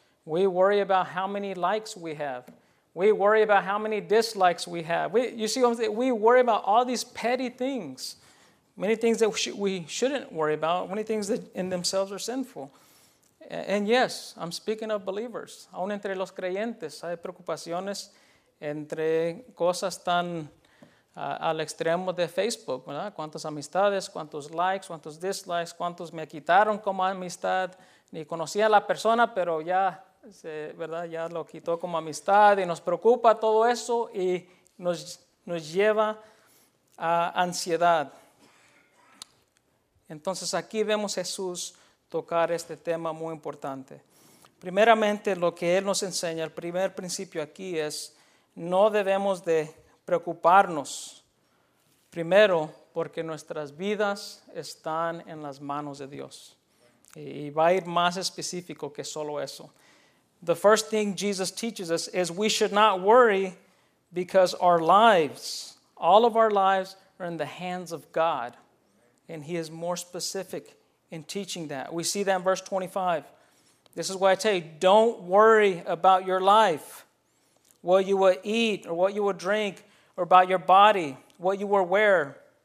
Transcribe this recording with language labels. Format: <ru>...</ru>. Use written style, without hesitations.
<en>We worry about how many likes we have. We worry about how many dislikes we have. You see what I'm saying? We worry about all these petty things, many things that we shouldn't worry about, many things that in themselves are sinful. And yes, I'm speaking of believers.</en> <es>Aún entre los creyentes hay preocupaciones entre cosas tan al extremo de Facebook, ¿verdad? ¿Cuántas amistades? ¿Cuántos likes? ¿Cuántos dislikes? ¿Cuántos me quitaron como amistad? Ni conocía a la persona, pero ya, ¿verdad? Ya lo quitó como amistad y nos preocupa todo eso y nos lleva a ansiedad. Entonces aquí vemos a Jesús tocar este tema muy importante. Primeramente, lo que Él nos enseña, el primer principio aquí es no debemos de preocuparnos, primero, porque nuestras vidas están en las manos de Dios. Y va a ir más específico que solo eso.</es> <en>The first thing Jesus teaches us is we should not worry because our lives, all of our lives, are in the hands of God. And He is more specific in teaching that. We see that in verse 25. This is why I tell you, don't worry about your life, what you will eat or what you will drink, or about your body, what you will wear.</en>